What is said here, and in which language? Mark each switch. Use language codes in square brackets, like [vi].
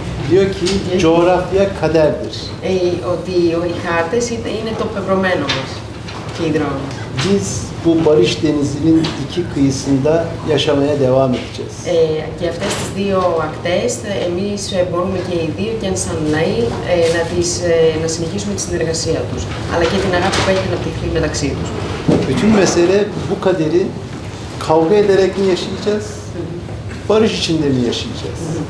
[tr] Diyor ki coğrafya kaderdir. [el] Ότι οι χάρτες είναι το πεπρωμένο μας κίνδυνο. [tr] Biz bu Barış Denizi'nin iki kıyısında yaşamaya devam edeceğiz. [el] Και αυτές τις δύο ακτές, εμείς μπορούμε και οι δύο και σαν λαοί να συνεχίσουμε τη συνεργασία τους. Αλλά και την αγάπη που έχει αναπτυχθεί μεταξύ τους. [tr] Bütün mesele bu kaderi kavga ederek mi yaşayacağız, barış içinde mi yaşayacağız?